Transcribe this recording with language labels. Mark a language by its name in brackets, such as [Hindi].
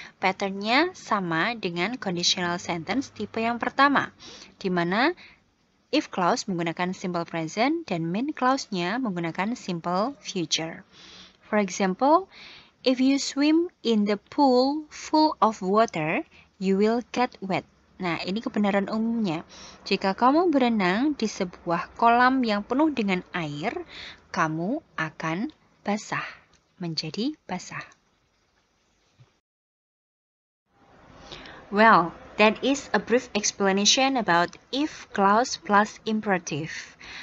[Indonesian] Pattern-nya sama dengan conditional sentence tipe yang pertama, di mana if clause menggunakan simple present dan main clause-nya menggunakan simple future. [English] For example, if you swim in the pool full of water, you will get wet. [Indonesian] Nah, ini kebenaran umumnya. Jika kamu berenang di sebuah kolam yang penuh dengan air, kamu akan basah, menjadi basah. [English] Well, that is a brief explanation about if clause plus imperative.